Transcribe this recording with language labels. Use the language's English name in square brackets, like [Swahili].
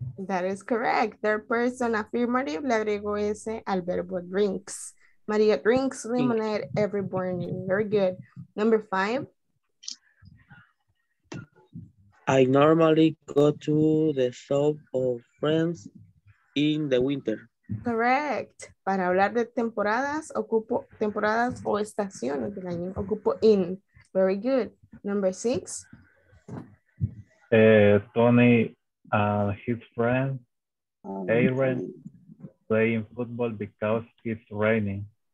[English] That is correct. Third person affirmative, [Spanish] le agrego ese al verbo [English] drinks. Maria drinks lemonade every morning. Very good. Number 5. I normally go to the shop of friends in the winter. Correct. [Spanish] Para hablar de temporadas, ocupo temporadas o estaciones del año. Ocupo [English] in. Very good. Number six. Tony and his friend, Aaron, playing football because it's raining.